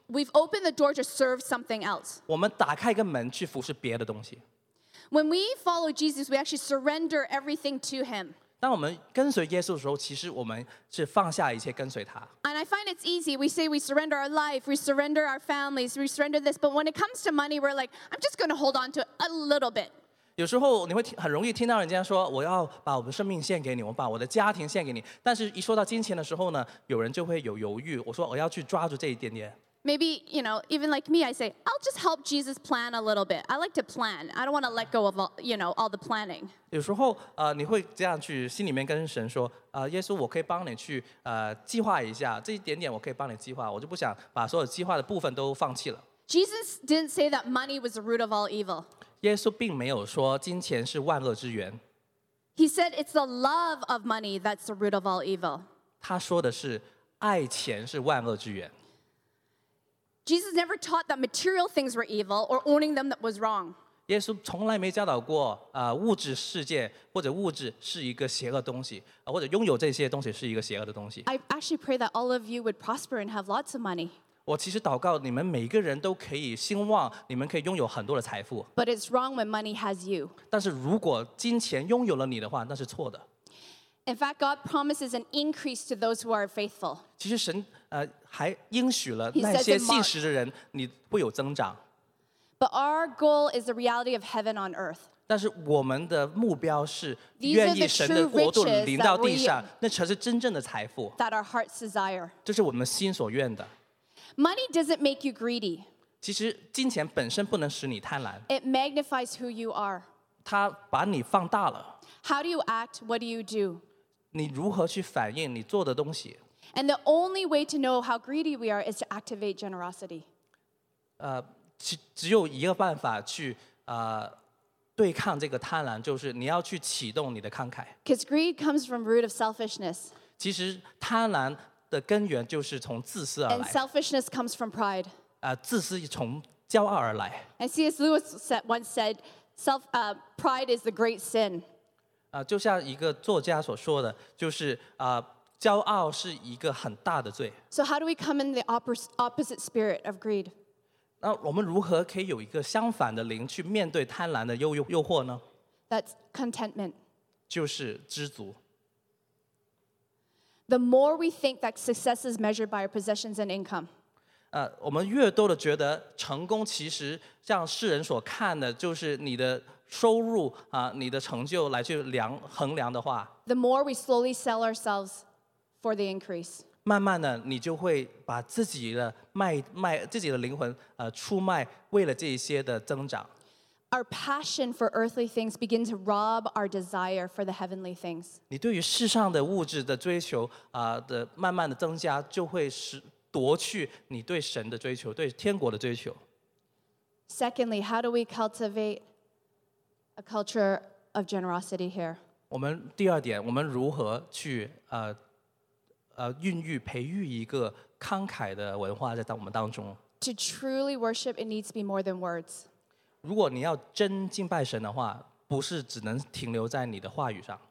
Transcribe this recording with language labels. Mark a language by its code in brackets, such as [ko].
[en] We've opened the door to serve something else. [zh] 我们打开一个门去服侍别的东西。 [en] When we follow Jesus, we actually surrender everything to Him. [zh] 当我们跟随耶稣的时候，其实我们是放下一切跟随他。 [en] And I find it's easy. We say we surrender our life, we surrender our families, we surrender this. But when it comes to money, we're like, I'm just going to hold on to it a little bit. [zh] 有时候你会很容易听到人家说我要把我的生命献给你，我把我的家庭献给你，但是一说到金钱的时候呢，有人就会有犹豫，我说我要去抓住这一点点。 [en] Maybe, you know, even like me, I say, I'll just help Jesus plan a little bit. I like to plan. I don't want to let go of all, you know, all the planning. [zh] 有时候，你会这样去心里面跟神说，耶稣，我可以帮你去，计划一下，这一点点我可以帮你计划，我就不想把所有计划的部分都放弃了。 [en] Jesus didn't say that money was the root of all evil. [zh] 耶稣并没有说金钱是万恶之源。 [en] He said it's the love of money that's the root of all evil. [zh] 他说的是爱钱是万恶之源。 [en] Jesus never taught that material things were evil or owning them that was wrong. [zh] 耶稣从来没教导过，物质世界或者物质是一个邪恶东西，或者拥有这些东西是一个邪恶的东西。 [en] I actually pray that all of you would prosper and have lots of money. [zh] 我其实祷告你们每个人都可以兴旺，你们可以拥有很多的财富。 [en] But it's wrong when money has you. [zh] 但是如果金钱拥有了你的话，那是错的。 [en] In fact, God promises an increase to those who are faithful. [zh] 其实神还应许了那些信实的人，你会有增长。 [en] But our goal is the reality of heaven on earth. [zh] 但是我们的目标是愿意神的国度临到地上，那才是真正的财富。 [en] That our hearts desire. [zh] 这是我们心所愿的。 [en] Money doesn't make you greedy. [zh] 其实金钱本身不能使你贪婪。 [en] It magnifies who you are. [zh] 它把你放大了。 [en] How do you act? What do you do? [zh] 你如何去反应你做的东西？ [en] And the only way to know how greedy we are is to activate generosity. [zh] 只有一个办法去对抗这个贪婪，就是你要去启动你的慷慨。 [en] Because greed comes from root of selfishness. [zh] 其实贪婪的根源就是从自私而来。 [en] And selfishness comes from pride. [zh] 自私从骄傲而来。 [en] And C.S. Lewis once said, pride is the great sin. [zh] 就像一个作家所说的，就是骄傲是一个很大的罪。 [en] So how do we come in the opposite spirit of greed? [zh] 那我们如何可以有一个相反的灵去面对贪婪的诱惑呢？ [en] That's contentment. [zh] 就是知足。 [en] The more we think that success is measured by our possessions and income. [zh] 我们越多的觉得成功其实像世人所看的就是你的收入你的成就来去衡量的话， [en] The more we slowly sell ourselves for the increase. [zh] 慢慢的你就会把自己的自己的灵魂出卖为了这些的增长。 [en] Our passion for earthly things begins to rob our desire for the heavenly things. [zh] 你对于世上的物质的追求的慢慢的增加，就会夺去你对神的追求，对天国的追求。 [en] Secondly, how do we cultivate a culture of generosity here? [zh] 我们第二点，我们如何去孕育培育一个慷慨的文化在我们当中。 [en] To truly worship, it needs to be more than words. [zh] 如果你要真敬拜神的话，不是只能停留在你的话语上。